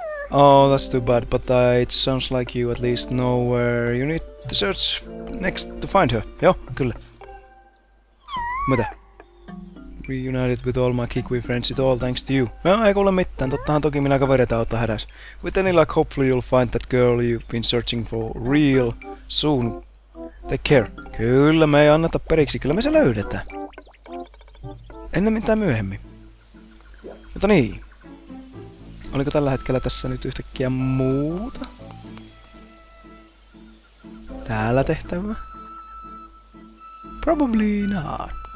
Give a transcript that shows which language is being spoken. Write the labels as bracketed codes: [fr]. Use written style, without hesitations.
[en] Oh, that's too bad, but it sounds like you at least know where you need to search next to find her. Yo, [fi] kyllä. Mitä? [en] Reunited with all my Kikui friends, it all thanks to you. [fi] No, ei kuule mitään, tottahan toki minä kavereita auttaa hädäs. [en] With any luck, hopefully you'll find that girl you've been searching for real soon. Take care. [fi] Kyllä me ei anneta periksi, kyllä me se löydetään. Ennemmin tai myöhemmin. Mutta niin. Oliko tällä hetkellä tässä nyt yhtäkkiä muuta? Täällä tehtävä? [en] Probably not.